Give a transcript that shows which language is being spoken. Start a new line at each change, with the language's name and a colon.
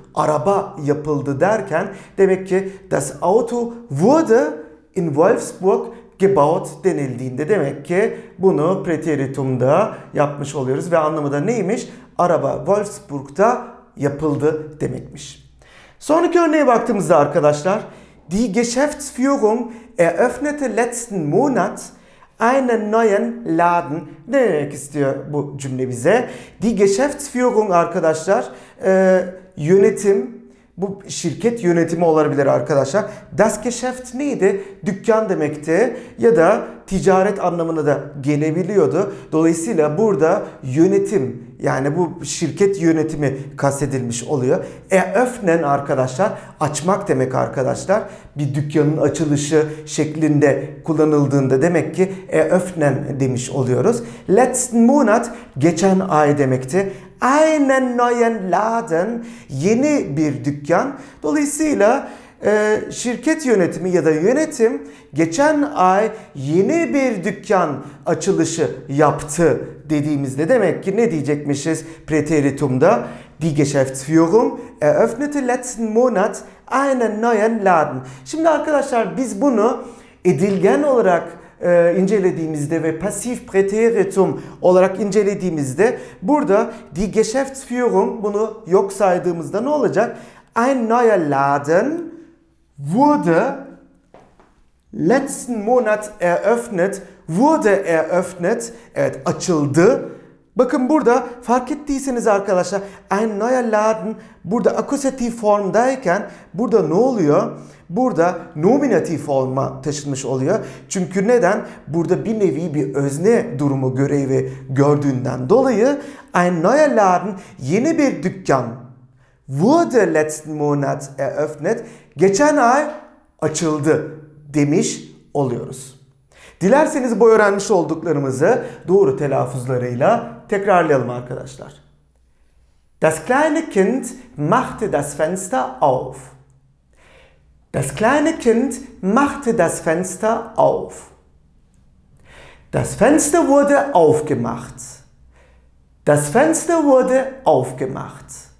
Turkish: Araba yapıldı derken demek ki
German: das Auto wurde in Wolfsburg gebaut
Turkish: denildiğinde demek ki bunu preteritumda yapmış oluyoruz ve anlamı da neymiş? Araba Wolfsburg'da yapıldı demekmiş. Sonraki örneğe baktığımızda arkadaşlar,
German: die Geschäftsführung eröffnete letzten Monat einen neuen Laden.
Turkish: Ne demek istiyor bu cümle bize? Die Geschäftsführung arkadaşlar, yönetim, bu şirket yönetimi olabilir arkadaşlar. Das Geschäft neydi? Dükkan demekti ya da ticaret anlamına da gelebiliyordu. Dolayısıyla burada yönetim, yani bu şirket yönetimi kastedilmiş oluyor. Eröffnen arkadaşlar, açmak demek arkadaşlar. Bir dükkanın açılışı şeklinde kullanıldığında demek ki eröffnen demiş oluyoruz.
German: Letzten Monat,
Turkish: geçen ay demekti.
German: Einen neuen Laden,
Turkish: yeni bir dükkan. Dolayısıyla şirket yönetimi ya da yönetim geçen ay yeni bir dükkan açılışı yaptı dediğimizde demek ki ne diyecekmişiz preteritumda?
German: Die Geschäftsführung eröffnete letzten Monat einen neuen Laden.
Turkish: Şimdi arkadaşlar biz bunu edilgen olarak incelediğimizde ve passiv präteritum olarak incelediğimizde burada die Geschäftsführung bunu yok saydığımızda ne olacak?
German: Ein neuer Laden wurde letzten Monat eröffnet, wurde eröffnet,
Turkish: evet açıldı. Bakın burada fark ettiyseniz arkadaşlar
German: ein neuer Laden
Turkish: burada akusatif formdayken burada ne oluyor? Burada nominatif forma taşınmış oluyor. Çünkü neden? Burada bir nevi bir özne durumu görevi gördüğünden dolayı
German: ein neuer Laden
Turkish: yeni bir dükkan
German: wurde letzten Monat eröffnet
Turkish: geçen ay açıldı demiş oluyoruz. Dilerseniz bu öğrenmiş olduklarımızı doğru telaffuzlarıyla tekrarlayalım arkadaşlar.
German: Das kleine Kind machte das Fenster auf. Das kleine Kind machte das Fenster auf. Das Fenster wurde aufgemacht. Das Fenster wurde aufgemacht.